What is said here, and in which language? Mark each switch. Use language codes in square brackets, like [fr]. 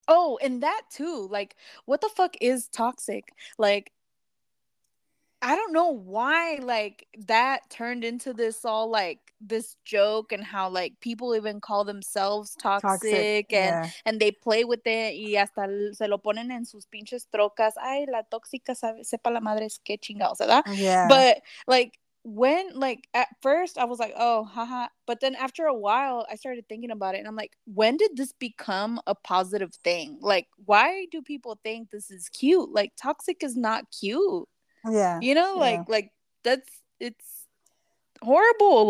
[en] Oh, and that too, like, what the fuck is toxic? Like, I don't know why, like, that turned into this all, like, this joke and how, like, people even call themselves toxic and, yeah. and they play with it [es] y hasta se lo ponen en sus pinches trocas. Ay, la tóxica sabe, sepa la madre es que chingados, ¿verdad? [en] Yeah. But, like, when, like, at first I was like, oh, haha. But then after a while, I started thinking about it and I'm like, when did this become a positive thing? Like, why do people think this is cute? Like, toxic is not cute. Yeah, you know, like, yeah. like, that's, it's horrible.